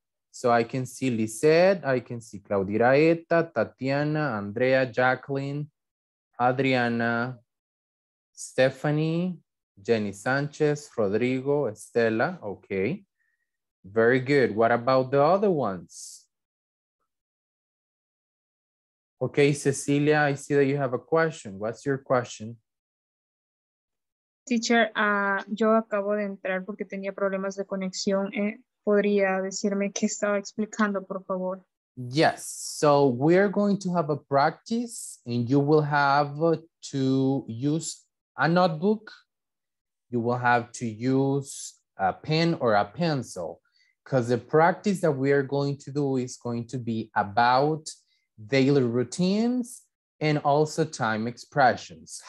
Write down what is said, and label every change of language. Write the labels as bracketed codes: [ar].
[en] So I can see Lizette, I can see Claudia Raeta, Tatiana, Andrea, Jacqueline, Adriana, Stephanie, Jenny Sanchez, Rodrigo, Estela. Okay, very good. What about the other ones? Okay, Cecilia, I see that you have a question. What's your question? [es] Teacher, yo acabo de entrar porque tenía problemas de conexión. ¿Podría decirme qué estaba explicando, por favor? [en] Yes, so we're going to have a practice and you will have to use a notebook. You will have to use a pen or a pencil because the practice that we are going to do is going to be about daily routines and also time expressions.